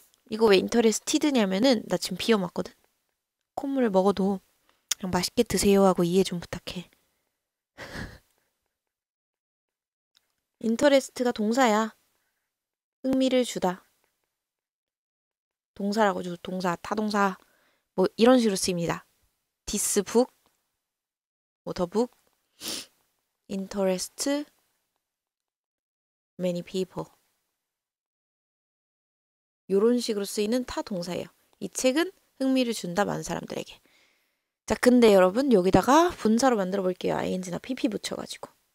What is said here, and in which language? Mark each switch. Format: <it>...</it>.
<ko>이거 왜 인터레스티드냐면은, 나 지금 비어 맞거든? 콧물을 먹어도 그냥 맛있게 드세요 하고 이해 좀 부탁해. 인터레스트가 동사야. 흥미를 주다. 동사라고 줘. 동사, 타동사. 뭐 이런 식으로 쓰입니다.</ko> <en>This book,</en> <ko>뭐</ko> <en>the book, interest many people.</en> <ko>요런 식으로 쓰이는 타 동사예요. 이 책은 흥미를 준다, 많은 사람들에게. 자, 근데 여러분, 여기다가 분사로 만들어 볼게요. ing나 pp 붙여가지고.</ko>